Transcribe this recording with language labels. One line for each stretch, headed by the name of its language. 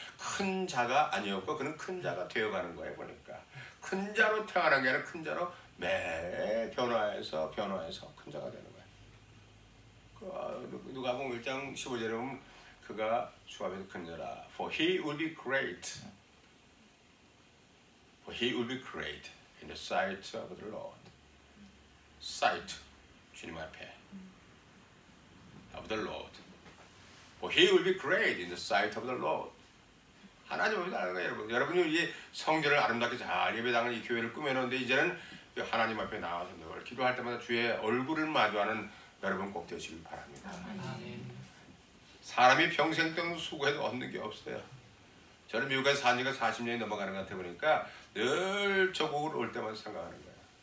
Korean: 큰 자가 아니었고 그는 큰 자가 되어가는 거예요. 보니까 큰 자로 태어난 게 아니라 큰 자로 매 변화해서 변화해서 큰 자가 되는 거예요. 누가 보면 1장 15절에 보면 그가 주 앞에서 큰 자라.
English: For he will be great. For he will be great in the sight of the Lord. Sight,
Korean: 주님 앞에.
English: Of the Lord. For he will be great in the sight of the Lord.
Korean: 하나님 앞에서 아는 거예요, 여러분. 여러분이 이제 성전을 아름답게 잘 예배당을 이 교회를 꾸며놓는데 이제는 하나님 앞에 나와서 늘 기도할 때마다 주의 얼굴을 마주하는 여러분 꼭 되시길 바랍니다. 사람이 평생 동안 수고해도 얻는 게 없어요. 저는 미국에 산 지가 40년이 넘어가는 것 같아 보니까 늘 조국을 올 때마다 생각하는 거예요.